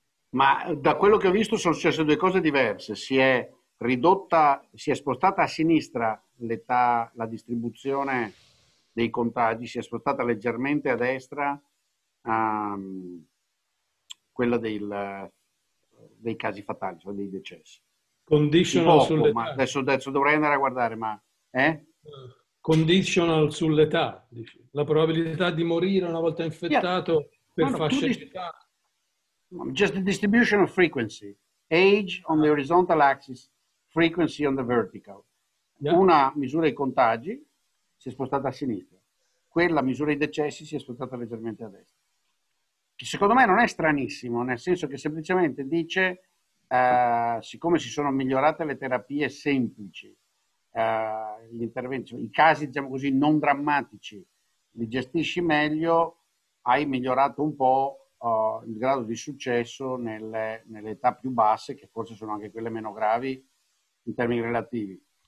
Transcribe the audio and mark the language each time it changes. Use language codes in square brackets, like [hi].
[it] Ma da quello che ho visto sono successe due cose diverse: si è spostata a sinistra l'età, la distribuzione dei contagi, si è spostata leggermente a destra quella dei casi fatali, cioè dei decessi. [en] Conditional [it] poco, sull'età. Ma adesso dovrei andare a guardare, ma... Conditional sull'età. La probabilità di morire una volta infettato fascia di età. [en] Just the distribution of frequency. Age on the horizontal axis, frequency on the vertical. Yeah. [it] Una misura i contagi, si è spostata a sinistra. Quella misura i decessi, si è spostata leggermente a destra. Secondo me non è stranissimo, nel senso che semplicemente dice siccome si sono migliorate le terapie semplici, gli interventi, i casi, diciamo così, non drammatici, li gestisci meglio, hai migliorato un po' il grado di successo nelle età più basse, che forse sono anche quelle meno gravi in termini relativi.